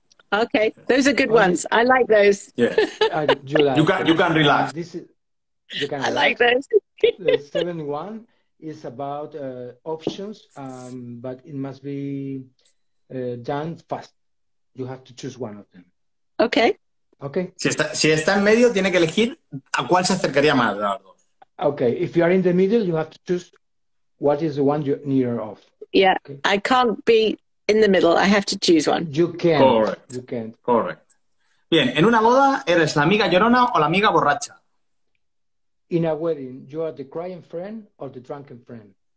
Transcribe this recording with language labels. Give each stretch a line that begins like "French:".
English: Okay, those are good ones. I like those. Yeah. You can relax. I like those. The 7-1 is about options, but it must be done fast. You have to choose one of them. Okay. Okay.
Spanish: Si está en medio, tiene que elegir a cuál se acercaría más, Eduardo.
English: Okay, if you are in the middle, you have to choose what is the one you're nearer of. Yeah, okay. I can't be in the middle. I have to choose one. You can't. Correct. You can't. Correct.
Spanish: Bien, ¿en una boda eres la amiga llorona o la amiga borracha?
English: In a wedding, you are the crying friend or the drunken friend?